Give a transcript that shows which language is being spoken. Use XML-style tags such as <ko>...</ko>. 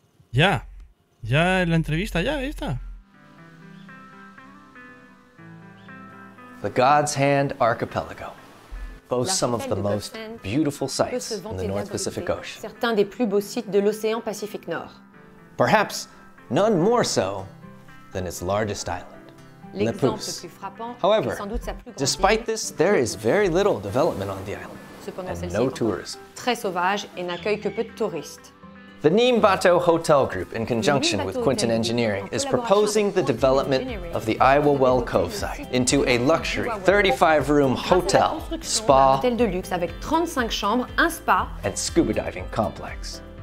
<es>Ya. Ya en la entrevista, ya, ahí está.</es> <en>The God's Hand Archipelago boasts some of the most beautiful sites in the North Pacific Ocean.</en> <fr>Certains des plus beaux sites de l'océan Pacifique Nord.</fr> <en>Perhaps none more so than its largest island, Nepos. However, despite this, there is very little development on the island, and no tourism.</en> <fr>Très sauvage et n'accueille que peu de touristes.</fr> <en>The Neem Bato Hotel Group, in conjunction with Quinton Engineering, is proposing the development of the Iowa Well Cove site into a luxury 35-room hotel, spa, and scuba diving complex.</en>